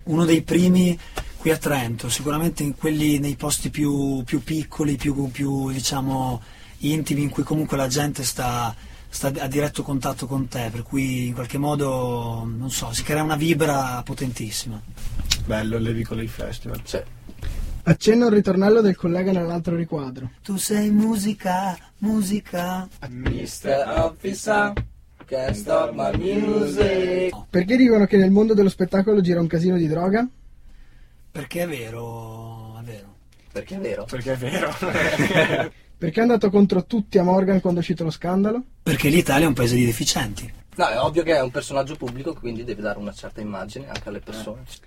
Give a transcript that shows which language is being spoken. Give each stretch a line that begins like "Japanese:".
Italian: Uno dei primi qui a Trento, sicuramente in quelli, nei posti più piccoli, più diciamo intimi, in cui comunque la gente sta sta a diretto contatto con te, per cui in qualche modo, non so, si crea una vibra potentissima. Bello il Levicolo Festival. Sì. Accenno al ritornello del collega nell'altro riquadro. Tu sei musica, musica.
English: Mister Officer, can't stop my music.
Italian: Perché dicono che nel mondo dello spettacolo gira un casino di droga? Perché è vero, è vero. Perché è vero? Perché è vero. Perché è andato contro tutti a Morgan quando è uscito lo scandalo? Perché l'Italia è un paese di deficienti. No, è ovvio che è un personaggio pubblico, quindi deve dare una certa immagine anche alle persone.